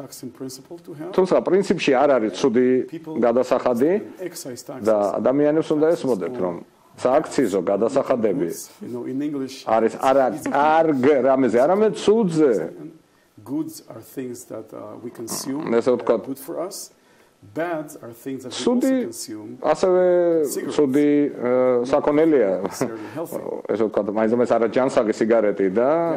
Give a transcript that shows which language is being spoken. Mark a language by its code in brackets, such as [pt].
[ka] თუმცა პრინციპში არ არის ცუდი გადასახადი და ადამიანებს უნდა ესმოდეთ, რომ სააქციზო გადასახადები არის არა კარგ რამეზე, არამედ ცუდზე. [en] Goods are things that we consume that are good for us. Bads are things that we consume. [ka] ასევე ცუდი საქონელია, ესე ვთქვათ, მაინცდამაინც არა ჯანსაღი სიგარეტი და